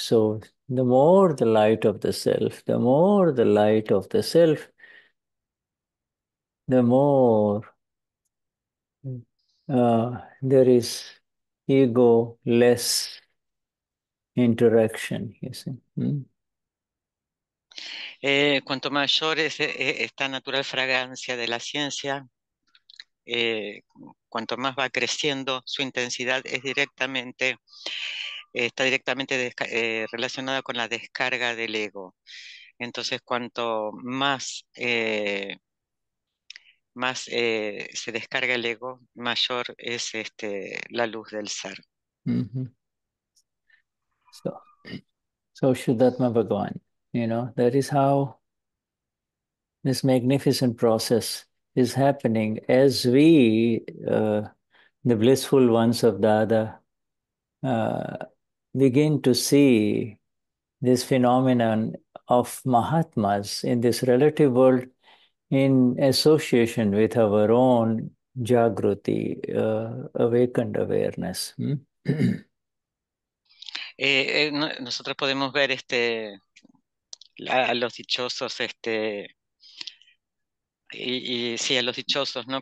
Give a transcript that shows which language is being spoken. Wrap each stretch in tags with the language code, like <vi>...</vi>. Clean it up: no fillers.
<en>So the more the light of the self, the more the light of the self, the more there is ego-less interaction, you see.</en> <es>Cuanto mayor es esta natural fragancia de la ciencia, cuanto más va creciendo, su intensidad es directamente, está directamente relacionada con la descarga del ego. Entonces, cuanto más, se descarga el ego, mayor es la luz del ser.</es> <en>So Shuddhatma Bhagavan, you know, that is how this magnificent process is happening as we, the blissful ones of Dada, begin to see this phenomenon of Mahatmas in this relative world in association with our own Jagruti, awakened awareness.</en> <es>Nosotros podemos ver a los dichosos y sí, a los dichosos, ¿no?</es>